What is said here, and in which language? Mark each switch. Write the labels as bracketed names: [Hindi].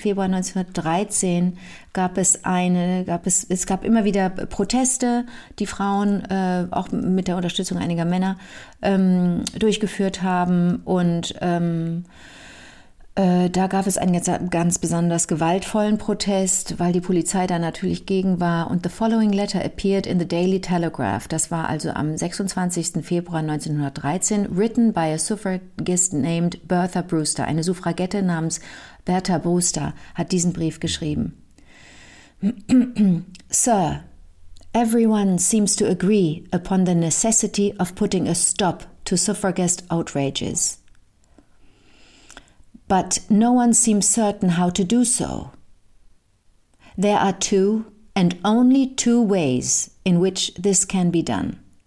[German] Februar 1913 gab es immer wieder Proteste, die Frauen auch mit der Unterstützung einiger Männer durchgeführt haben. Und da gab es einen ganz besonders gewaltvollen Protest, weil die Polizei da natürlich gegen war. Und [English] the following letter appeared in the Daily Telegraph. [German] Das war also am 26. Februar [English] 1913, written by a suffragist named Bertha Brewster. [German] Eine Suffragette namens Bertha Brewster hat diesen Brief geschrieben. [English] Sir, everyone seems to agree upon the necessity of putting a stop to suffragist outrages. But no one seems certain how to do so. There are two and only two ways in which this can be done.